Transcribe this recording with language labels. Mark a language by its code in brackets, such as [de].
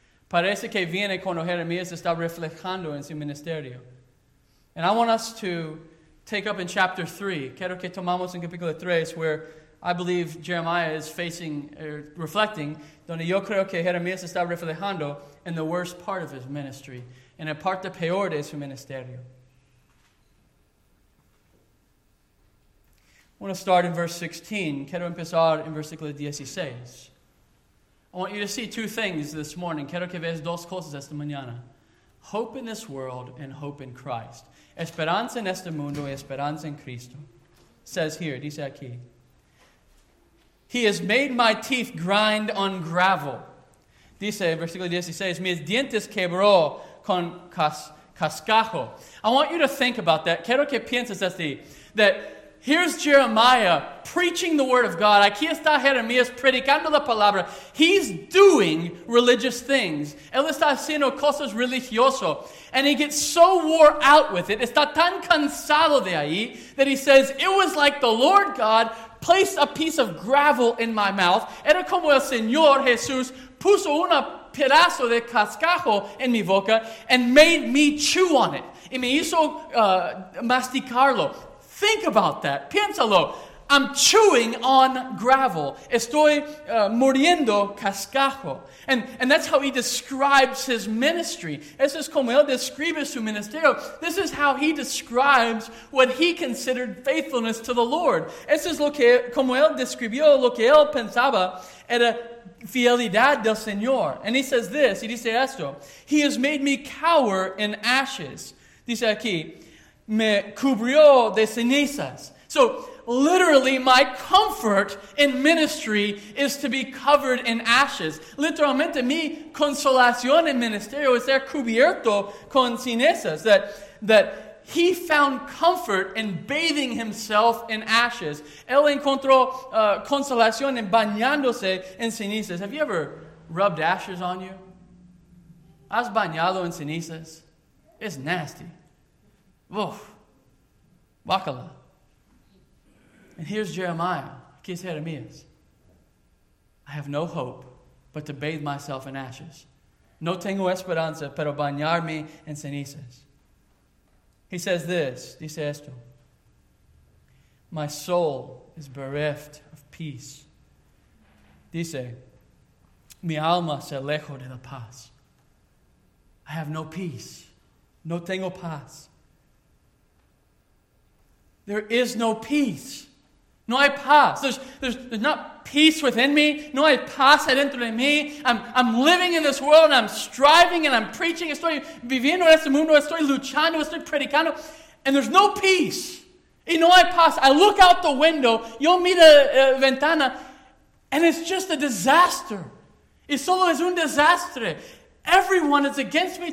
[es] Parece que viene cuando Jeremías está reflejando en su ministerio. [en] And I want us to take up in chapter 3, [es] quiero que tomamos en capítulo 3, [en] where I believe Jeremiah is facing, reflecting, [es] donde yo creo que Jeremías está reflejando [en] in the worst part of his ministry, [es] en la parte peor de su ministerio. [en] I want to start in verse 16. [es] Quiero empezar en versículo 16. [en] I want you to see two things this morning. [es] Quiero que veas dos cosas esta mañana. [en] Hope in this world and hope in Christ. [es] Esperanza en este mundo y esperanza en Cristo. [en] Says here, [es] dice aquí. [en] He has made my teeth grind on gravel. [es] Dice, versículo 16, mis dientes quebró con cascajo. [en] I want you to think about that. [es] Quiero que pienses así, [en] that here's Jeremiah preaching the word of God. [es] Aquí está Jeremías predicando la palabra. [en] He's doing religious things. [es] Él está haciendo cosas religiosas. [en] And he gets so wore out with it. [es] Está tan cansado de ahí [en] that he says, it was like the Lord God placed a piece of gravel in my mouth. [es] Era como el Señor Jesús puso un pedazo de cascajo en mi boca [en] and made me chew on it. [es] Y me hizo masticarlo. [en] Think about that. [es] Piénsalo. [en] I'm chewing on gravel. [es] Estoy mordiendo cascajo. [en] And that's how he describes his ministry. [es] Eso es como él describe su ministerio. [en] This is how he describes what he considered faithfulness to the Lord. [es] Eso es lo que, como él describió lo que él pensaba era fidelidad del Señor. [en] And he says this, he [es] dice esto. [en] He has made me cower in ashes. [es] Dice aquí, me cubrió de cenizas. [en] So, literally, my comfort in ministry is to be covered in ashes. [es] Literalmente, mi consolación en ministerio es ser cubierto con cenizas. [en] That he found comfort in bathing himself in ashes. [es] Él encontró consolación en bañándose en cenizas. [en] Have you ever rubbed ashes on you? [es] ¿Has bañado en cenizas? [en] It's nasty. [es] Oof. Bacala. [en] And here's Jeremiah. [es] Aquí es Jeremías. [en] I have no hope but to bathe myself in ashes. [es] No tengo esperanza pero bañarme en cenizas. [en] He says this. [es] Dice esto. [en] My soul is bereft of peace. [es] Dice, mi alma se alejó de la paz. [en] I have no peace. [es] No tengo paz. [en] There is no peace. [es] No hay paz. [en] There's not peace within me. [es] No hay paz adentro de mí. [en] I'm living in this world and I'm striving and I'm preaching. [es] Estoy viviendo en este mundo. Estoy luchando. Estoy predicando. [en] And there's no peace. [es] Y no hay paz. [en] I look out the window. [es] Yo miro la ventana. [en] And it's just a disaster. [es] Y solo es un desastre. [en] Everyone is against me.